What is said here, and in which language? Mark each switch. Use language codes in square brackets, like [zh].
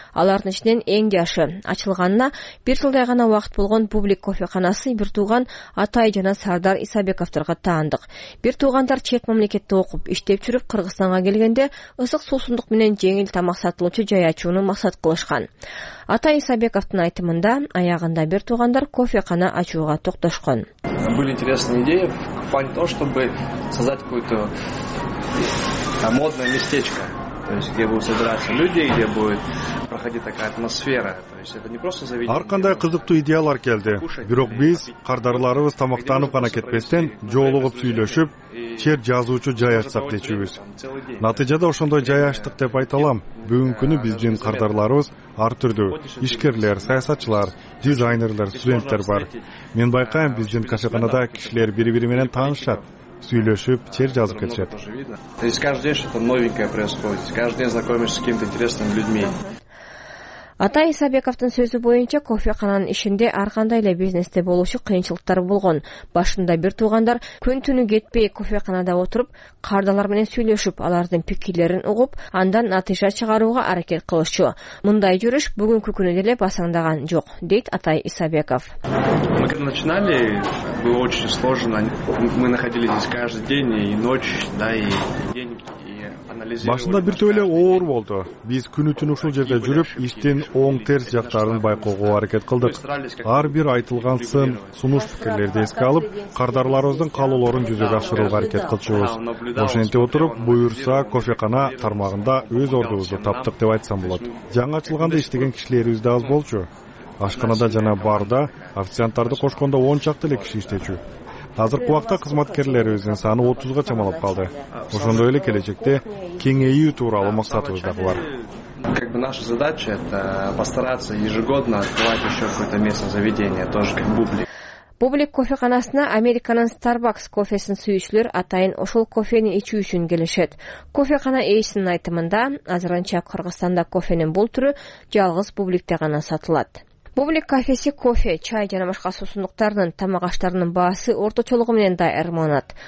[ky] Алардын ичинен эң жашы ачылганына бир жылдай гана убакыт болгон бублик кофеканасы бир тууган Атай жана Сардар Исабековдорго таандык. Бир туугандар чет мамлекетте окуп иштеп жүрүп Кыргызстанга келгенде ысык суусундук менен жеңил тамак сатылуучу жай ачууну максат кылышкан. Атай Исабековдун айтымында аягында бир туугандар кофекана ачууга токтошкон. [ru] Были интересные идеи в плане того, чтобы создать какое-то модное местечко. То есть где будут собираться люди, где будет проходить такая атмосфера. То есть это не просто заведение. [ky] Ар кандай кызыктуу идеялар келди. Бирок биз кардарларыбыз тамактанып гана кетпестен, жолугуп сүйлөшүп, чер жазуучу жай ачсак дечүбүз. Натыйжада ошондой жай ачтык деп айта алам. Бүгүнкү күнү биздин кардарларыбыз ар түрдүү: ишкерлер, саясатчылар, дизайнерлер, студенттер бар. Мен байкайм, биздин кофеканада кишилер бири-бири менен таанышат, сүйлөшүп, чер жазып кетишет. [ru] То есть каждый день что-то новенькое происходит. Каждый день знакомишься с кем-то интересным людьми. [ky] Атай Исабековдун сөзү боюнча, кофекананын ишинде ар кандай эле бизнесте болушу кыйынчылыктар болгон. Башында бир туугандар күн түнү кетпей кофеканада отуруп, кардарлар менен сүйлөшүп, алардын пикирлерин угуп, андан натыйжа чыгарууга аракет кылышчу. Мындай жүрүш бүгүнкү күнү деле басаңдаган жок, дейт Атай Исабеков. [ru] Мы когда начинали, было очень сложно. Мы находились здесь каждый день и ночь, да, и день. [ky] Башында биртүү эле оор болду. Биз күнү түнү ушул жерде жүрүп, иштин оң терс жактарын байкоого аракет кылдык. Ар бир айтылган сын, сунуш пикирлерди эске алып, кардарларыбыздын каалоолорун жүзөгө ашырууга аракет кылчубуз. Ошентип отуруп, буюрса кофекана тармагында өз ордубузду таптык деп айтсам болот. Жаңы ачылганда иштеген кишилерибиз да аз болчу. Ашканада жана барда официанттарды кошкондо 10 чакты эле киши иштечү. Азыркы убакта кызматкерлерибиздин саны 30 чамалап калды. Ошондой эле келечекте кеңейүү тууралуу максатыбыз да бар. [ru] Как бы наша задача это постараться ежегодно открывать ещё какое-то местное заведение, тоже как бублик. [ky] Бублик кофеканасына Американын Starbucks кофесин сүйүүчүлөр атайын ошол кофени ичүү үчүн келишет. Кофекана ээсинин айтымында, азырынча Кыргызстанда кофенин бул түрү жалгыз бубликте гана сатылат. Бублик кафеси кофе, чай жана башка суусундуктардын тамак аштарынын баасы орточолугу менен да айырмаланат.